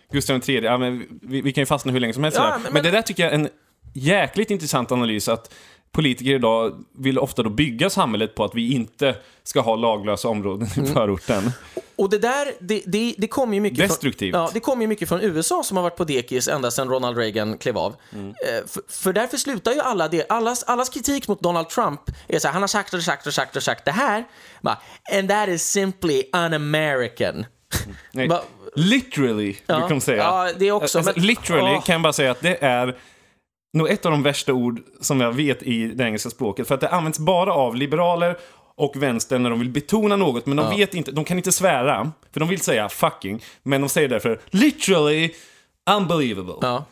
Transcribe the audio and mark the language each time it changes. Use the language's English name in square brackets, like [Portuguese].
[Swedish] Gustav den tredje. Ja, men vi kan ju fastna hur länge som helst. Ja, men det där tycker jag är en jäkligt intressant analys att politiker idag vill ofta då bygga samhället på att vi inte ska ha laglösa områden i förorten. Och det där, det kommer ju mycket destruktivt. Det kommer ju mycket från USA som har varit på dekis ända sedan Ronald Reagan klev av. Mm. För därför slutar ju allas kritik mot Donald Trump är så här, han har sagt och sagt och sagt och sagt det här. [English] And that is simply un-American. [Swedish] Nej, literally, du kan säga. Ja, det är också. Alltså, literally kan jag bara säga att det är... Nå, ett av de värsta ord som jag vet i det engelska språket. För att det används bara av liberaler och vänster när de vill betona något. Men de vet inte, de kan inte svära. För de vill säga fucking. Men de säger därför [English] literally unbelievable.